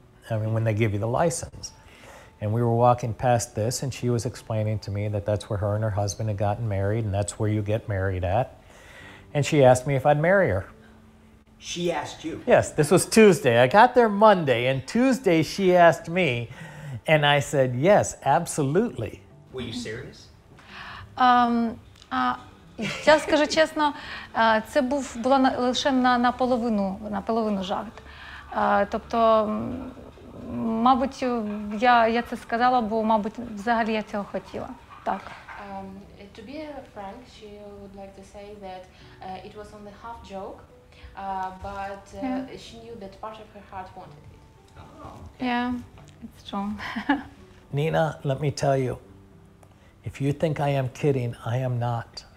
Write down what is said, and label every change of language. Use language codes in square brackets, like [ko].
[en] I mean, when they give you the license. And we were walking past this, and she was explaining to me that that's where her and her husband had gotten married, and that's where you get married at. And she asked me if I'd marry her. She asked you? Yes, this was Tuesday. I got there Monday, and Tuesday she asked me, and I said, yes, absolutely. Were you serious? [uk] Я скажу чесно, це було лише наполовину жарт. Тобто, мабуть, я це сказала, бо, мабуть, взагалі я цього хотіла. Так. [en] To be frank, she would like to say that it was only half joke, but she knew that part of her heart wanted it. Yeah, it's true. Nina, let me tell you, if you think I am kidding, I am not.